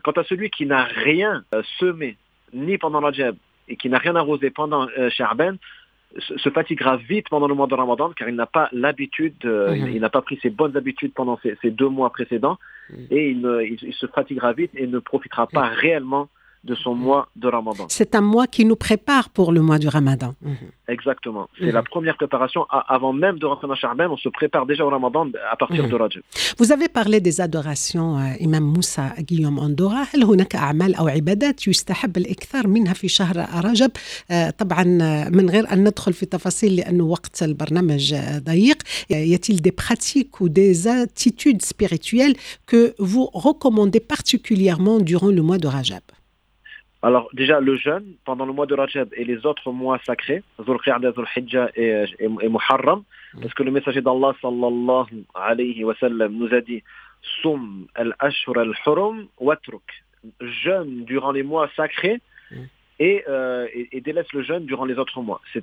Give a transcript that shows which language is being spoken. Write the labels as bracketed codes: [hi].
[fr] Quant à celui qui n'a rien semé ni pendant Rajab et qui n'a rien arrosé pendant Sha'ban, se fatiguera vite pendant le mois de Ramadan car il n'a pas l'habitude, il n'a pas pris ses bonnes habitudes pendant ces deux mois précédents et il se fatiguera vite et ne profitera pas réellement de son mois de Ramadan. C'est un mois qui nous prépare pour le mois du Ramadan. Exactement. C'est la première préparation. Avant même de rentrer dans Sha'ban, on se prépare déjà au Ramadan à partir de Rajab. Vous avez parlé des adorations Imam Moussa Guillaume Andora. [ar] هل هناك أعمال أو عبادات يستحب الأكثر منها في شهر رجب؟ طبعا من غير أن ندخل في تفاصيل لأنه وقت البرنامج ضيق. [fr] Y a-t-il des pratiques ou des attitudes spirituelles que vous recommandez particulièrement durant le mois de Rajab? Alors déjà, le jeûne pendant le mois de Rajab et les autres mois sacrés, Zulqi'ada, Zulhijja et Muharram, parce que le messager d'Allah sallallahu alayhi wa sallam nous a dit « Sum al-ashur al-hurum watruk » jeûne durant les mois sacrés et délaisse le jeûne durant les autres mois.